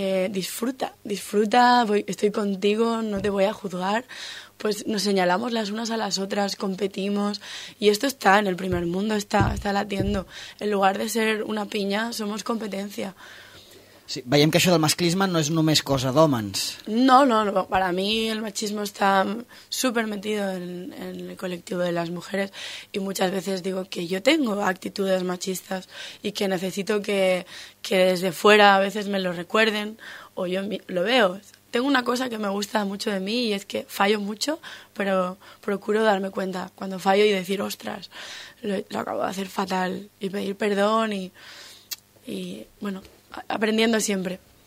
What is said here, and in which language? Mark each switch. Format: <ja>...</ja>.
<es>disfruta, estoy contigo, no te voy a juzgar, pues nos señalamos las unas a las otras, competimos, y esto está en el primer mundo, está latiendo. En lugar de ser una piña, somos competencia.</es> <ca>Sí, veiem que això del masclisme no és només cosa d'homens.</ca> <es>No, para mí el machismo está súper metido en el colectivo de las mujeres y muchas veces digo que yo tengo actitudes machistas y que necesito que desde fuera a veces me lo recuerden o yo lo veo. Tengo una cosa que me gusta mucho de mí y es que fallo mucho, pero procuro darme cuenta cuando fallo y decir, ostras, lo acabo de hacer fatal y pedir perdón y bueno, aprendiendo siempre.</es>